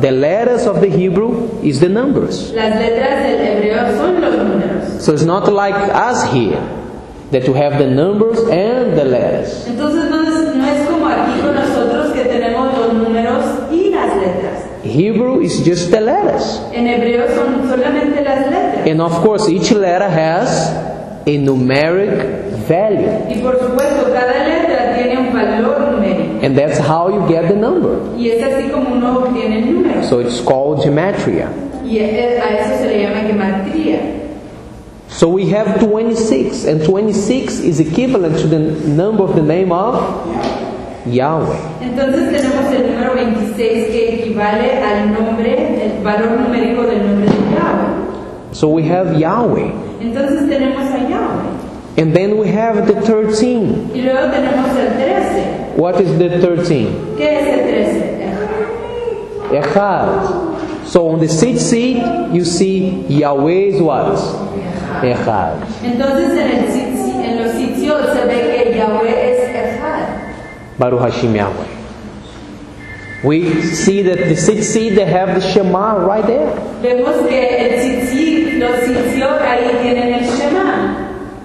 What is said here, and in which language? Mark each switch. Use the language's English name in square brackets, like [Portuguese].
[English] The letters of the Hebrew is the numbers. [Spanish] Las letras del hebreo son los números. [English] So it's not like us here, that we have the numbers and the letters. [Spanish] Entonces no es como aquí con nosotros que tenemos los números y las letras. [English] Hebrew is just the letters. [Spanish] En hebreo son solamente las letras. [English] And of course each letter has a numeric value. [Spanish] Y por supuesto cada letra tiene un valor numérico. [English] And that's how you get the number. [Spanish] Y es así como uno obtiene el número. [English] So it's called gematria. [Spanish] Y a eso se le llama gematria. [English] So we have 26, and 26 is equivalent to the number of the name of Yahweh. [Spanish] Entonces tenemos el número 26 que equivale al nombre, el valor numérico del nombre de Yahweh. [English] So we have Yahweh. [Spanish] Entonces tenemos a Yahweh. [English] And then we have the 13. [Spanish] Y luego tenemos el 13. [English] What is the 13? [Spanish] ¿Qué es el 13? [Hebrew] Echad. [English] So on the sixth seat, you see Yahweh is what? [Hebrew] Echad. [Spanish] Entonces en los sitios se ve que Yahweh es Echad. [Hebrew] Baruch Hashem Yahweh. [English] We see that the sixth seat, they have the Shema right there. [Spanish] Vemos que el tzitzit, los tzitzit, ahí tienen el Shema.